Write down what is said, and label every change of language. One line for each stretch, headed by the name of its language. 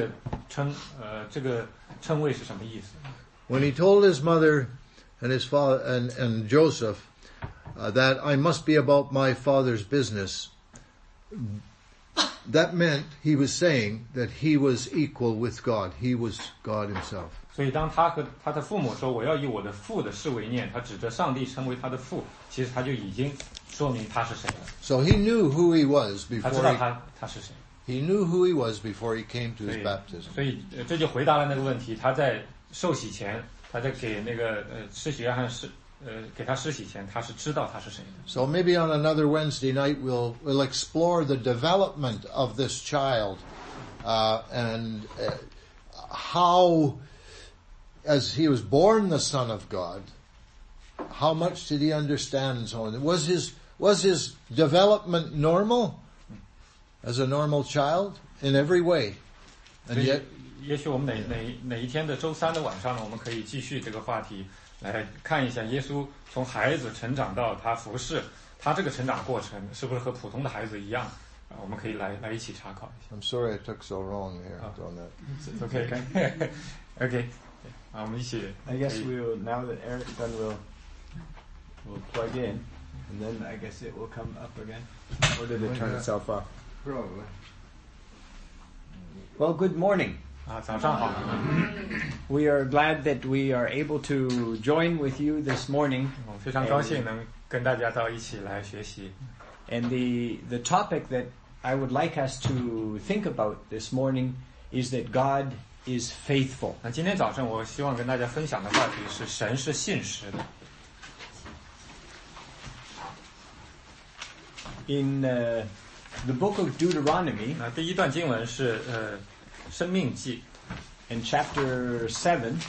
Chinese: 因为犹太人知道这个称谓是什么意思。
English: When he told his mother and his father and Joseph that I must be about my father's business, that meant he was saying that he was equal with God. He was God himself.
Chinese: 所以当他和他的父母说我要以我的父的事为念，他指着上帝称为他的父，其实他就已经说明他是谁了。
English: So he knew who he was before he knew who he was before he came to his baptism.
Chinese: 所以这就回答了那个问题，他在受洗前，他在给那个施洗约翰给他施洗前，他是知道他是谁的。
English: So maybe on another Wednesday night we'll explore the development of this child how, as he was born the Son of God, how much did he understand? So was his development normal as a normal child in every way? And yet,
Chinese: 也许我们哪一天的周三的晚上呢，我们可以继续这个话题来看一下耶稣从孩子成长到他服侍，他这个成长过程是不是和普通的孩子一样？我们可以来一起查考一下。
English: I'm sorry I took so wrong here. Oh, don't know. It's okay. Okay. Okay.
Chinese: 我们一起,
English: I guess we will, now that Eric Dunn will plug in, and then I guess it will come up again. Or did it turn itself off? Probably. Well, good morning.
Chinese: 早上好。
English: We are glad that we are able to join with you this morning.
Chinese: 非常高兴能跟大家到一起来学习。
English: And the topic that I would like us to think about this morning is that God is faithful.
Chinese: 那今天早上我希望跟大家分享的话题是神是信实的。
English: In the book of Deuteronomy,
Chinese: 那第一段经文是, 生命记,
English: in chapter 7,